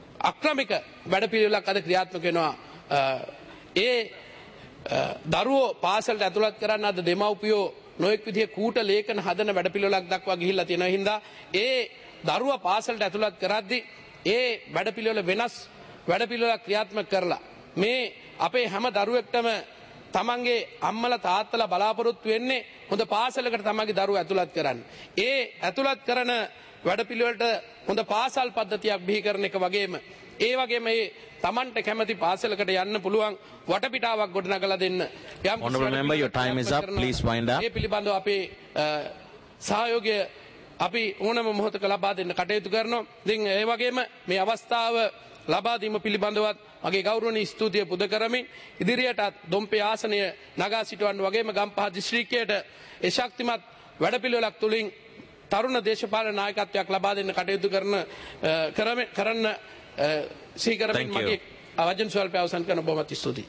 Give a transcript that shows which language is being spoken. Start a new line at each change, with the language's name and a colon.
Sinhala: අක්‍රමික වැඩපිළිවෙලක් අද ක්‍රියාත්මක වෙනවා ඒ දරුවෝ පාසලට ඇතුළත් කරන්න අද දෙමව්පියෝ නොඑක් විදිහේ කූට ලේඛන හදන වැඩපිළිවෙලක් දක්වා ගිහිල්ලා තියෙනවා හින්දා ඒ දරුවා පාසලට ඇතුළත් කරද්දී ඒ වැඩපිළිවෙල වෙනස් වැඩපිළිවෙලක් ක්‍රියාත්මක කරලා මේ අපේ හැම දරුවෙක්ටම තමන්ගේ අම්මලා තාත්තලා බලාපොරොත්තු වෙන්නේ හොඳ පාසලකට තමන්ගේ දරුවා ඇතුළත් කරන්න. ඒ ඇතුළත් කරන වැඩපිළිවෙලට හොඳ පාසල් පද්ධතියක් බිහි කරන එක වගේම ඒ වගේම මේ තමන්ට කැමති පාසලකට යන්න පුළුවන් වටපිටාවක් ගොඩනගලා දෙන්න.
English: Honorable member your time is up please wind up.
Sinhala: මේ පිළිබඳව අපේ සහයෝගය අපි ඕනම මොහොතක ලබා දෙන්න කටයුතු කරනවා. ඉතින් ඒ වගේම මේ අවස්ථාව ලබා දීම පිළිබඳවත් මගේ ගෞරවනීය ස්තුතිය පුද කරමින් ඉදිරියටත් දොම්පේ ආසනය නගා සිටවන්න වගේම ගම්පහ දිස්ත්‍රික්කයට ඒ ශක්තිමත් වැඩපිළිවෙලක් තුළින් තරුණ දේශපාලන නායකත්වයක් ලබා දෙන්න කටයුතු කරන්න සීකරමින් මගේ වචන ස්වල්පය අවසන් කරන බොහොමත් ස්තුතියි.